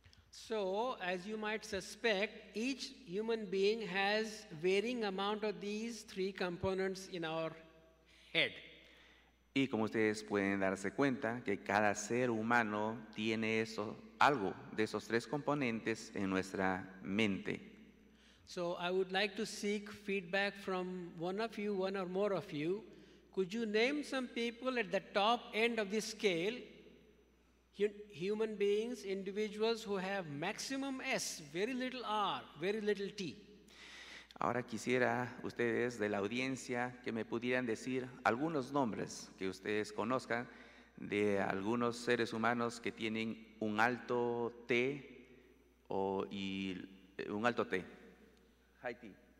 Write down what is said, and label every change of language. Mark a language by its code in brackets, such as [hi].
[en] So, as you might suspect, each human being has varying amount of these three components in our head. [es] Y como ustedes pueden darse cuenta, que cada ser humano tiene eso, algo de esos tres componentes en nuestra mente. [en] So I would like to seek feedback from one of you, one or more of you. Could you name some people at the top end of this scale, human beings, individuals who have maximum S, very little R, very little T? [es] Ahora quisiera ustedes de la audiencia que me pudieran decir algunos nombres que ustedes conozcan de algunos seres humanos que tienen un alto T o y un alto T. [en] High T.